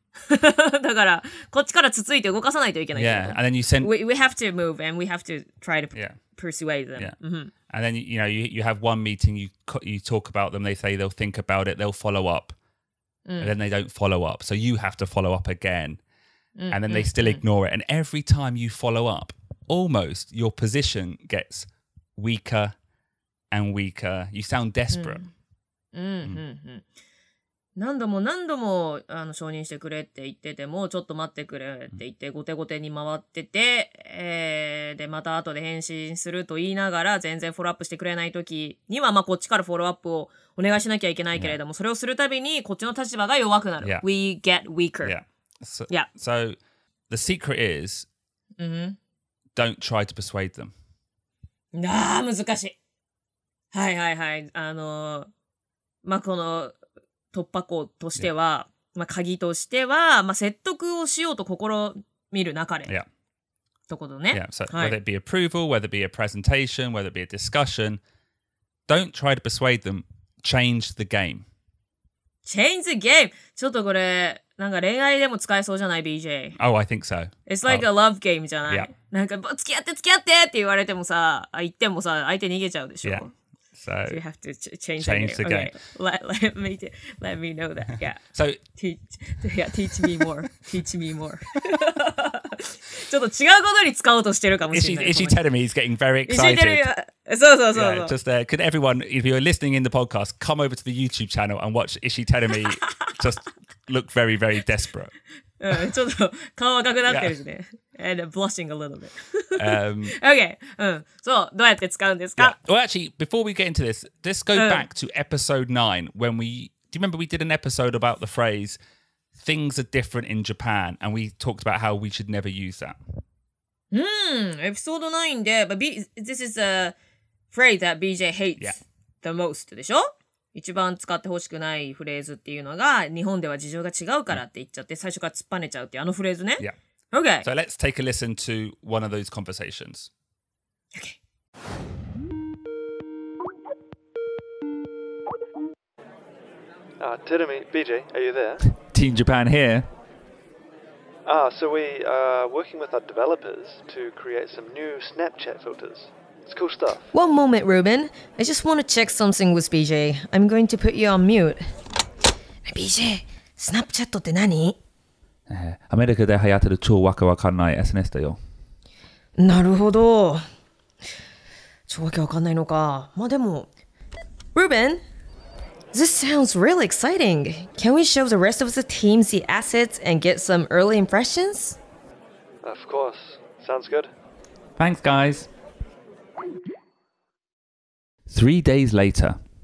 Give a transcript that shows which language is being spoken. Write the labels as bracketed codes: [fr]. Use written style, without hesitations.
[ja] だから、こっちからつついて動かさないといけない。 [en] Yeah, and then you send... We have to move and we have to try to persuade them. Yeah. And then, you know, you have one meeting, you talk about them, they say they'll think about it, they'll follow up. And then they don't follow up. So you have to follow up again. And then they still ignore it. And every time you follow up, almost your position gets weaker and weaker. You sound desperate. [ja] 何度も承認してくれって言ってても、ちょっと待ってくれって言って、ごてごてに回ってて、で、また後で返信すると言いながら、全然フォローアップしてくれないときには、まあ、こっちからフォローアップをお願いしなきゃいけないけれども、それをするたびに、こっちの立場が弱くなる。 [en] We get weaker. So, the secret is, don't try to persuade them. [ja] ああ、難しい。はいはいはい。まあ、この、突破口としては、まあ、鍵としては、まあ、説得をしようと試みるなかれ。とことね。 [en] So, whether it be approval, whether it be a presentation, whether it be a discussion, don't try to persuade them, change the game. Change the game. [ja] ちょっとこれなんか恋愛でも使えそうじゃない BJ? [en] Oh, I think so. It's like、oh. a love game [ja] じゃない、 [en] yeah. [ja] なんか付き合って付き合ってって言われてもさ言ってもさ相手逃げちゃうでしょ、 [en] yeah. So, so you have to change the game. Okay. Let me know that. Yeah. So teach me more. Teach me more. [ja] ちょっと違うことに使おうとしてるかもしれない。 [en] Ishii Terumi is getting very excited. [ja] そうそうそう。 [en] Just could everyone, if you're listening in the podcast, come over to the YouTube channel and watch Ishii Terumi just look very, very desperate. [ja] ちょっと顔赤くなってるしね。 [en] And blushing a little bit. okay. [ja] So, どうやって使うんですか? [en] Yeah. Well, actually, before we get into this, let's go back to episode 9 when we... Do you remember we did an episode about the phrase, things are different in Japan, and we talked about how we should never use that. Episode 9 で... But this is a phrase that BJ hates、yeah. the most, [ja] でしょ? 一番使ってほしくないフレーズっていうのが日本では事情が違うからって言っちゃって最初から突っぱねちゃうっていうあのフレーズね。 [en] Yeah. Okay. So let's take a listen to one of those conversations. Okay. Ah, Terumi, BJ, are you there? Team Japan here. Ah, so we are working with our developers to create some new Snapchat filters. It's cool stuff. One moment, Ruben. I just want to check something with BJ. I'm going to put you on mute. [ja] BJ, Snapchat って何? アメリカで流行ってる超わけわかんない SNS だよ。なるほど。超わけわかんないのか。まあでも。 [en] Ruben, this sounds really exciting. Can we show the rest of the team the assets and get some early impressions? Of course. Sounds good. Thanks, guys. Three days later.